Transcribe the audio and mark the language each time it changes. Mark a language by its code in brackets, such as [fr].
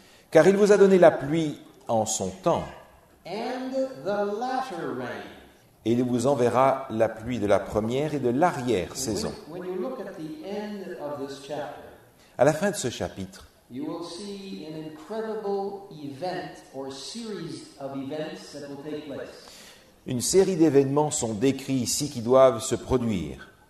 [fr] Car il vous a donné la pluie en son temps. [en] and the latter rain. [fr] Et il vous enverra la pluie de la première et de l'arrière saison. [en] When you look at the end of this chapter, [fr] à la fin de ce chapitre, [en] you will see an incredible event or series of events that will take place. [fr] Une série d'événements sont décrits ici qui doivent se produire.